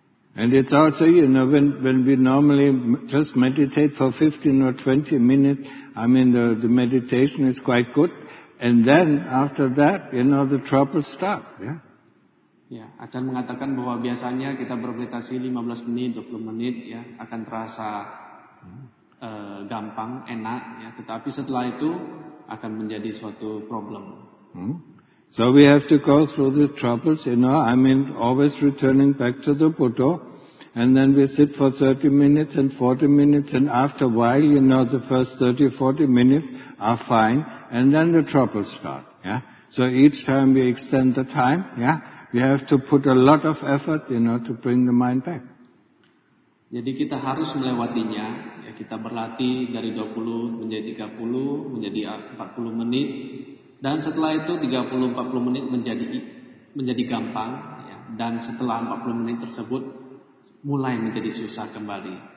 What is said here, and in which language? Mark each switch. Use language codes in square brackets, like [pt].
[en] And it's also, you know, when we normally just meditate for 15 or 20 minutes, I mean, the meditation is quite good. And then after that, you know, the trouble stop. Yeah. [id] Ya, Acan mengatakan bahwa biasanya kita bermeditasi 15 menit, 20 menit, ya, akan terasa gampang, enak, ya. Tetapi setelah itu akan menjadi suatu problem. [en] So we have to go through the troubles, you know. I mean, always returning back to the Buddha, and then we sit for 30 minutes and 40 minutes, and after a while, you know, the first 30, 40 minutes are fine, and then the troubles start. Yeah. So each time we extend the time, yeah, we have to put a lot of effort, you know, to bring the mind back. [id] Jadi kita harus melewatinya. Kita berlatih dari 20 menjadi 30, menjadi 40 menit. Dan setelah itu 30-40 menit menjadi gampang. Ya. Dan setelah 40 menit tersebut mulai menjadi susah kembali.